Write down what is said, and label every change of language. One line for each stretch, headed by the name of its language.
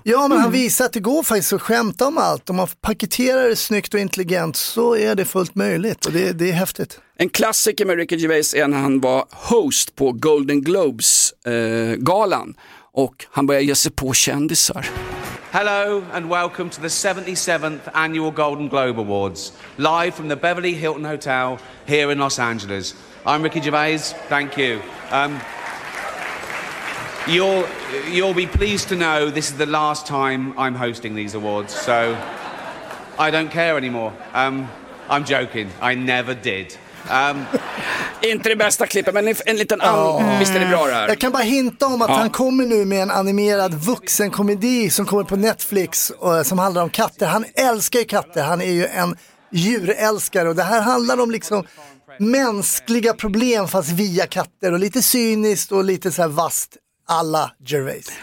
Swedish: Ja, men han visar att det går faktiskt att skämta om allt. Om man paketerar det snyggt och intelligent så är det fullt möjligt och det är häftigt. En klassiker med Ricky Gervais är när han var host på Golden Globes galan och han började ge sig på kändisar.
English: Hello and welcome to the 77th annual Golden Globe Awards, live from the Beverly Hilton Hotel here in Los Angeles. I'm Ricky Gervais, thank you. You'll be pleased to know this is the last time I'm hosting these awards, so I don't care anymore. I'm joking, I never did.
Swedish: Inte det bästa klippet, men en liten visst är det bra det här? Jag kan bara hinta om att han kommer nu med en animerad vuxenkomedi som kommer på Netflix och som handlar om katter. Han älskar ju katter, han är ju en djurälskare och det här handlar om liksom mänskliga problem fast via katter och lite cyniskt och lite så här vast alla Gervais.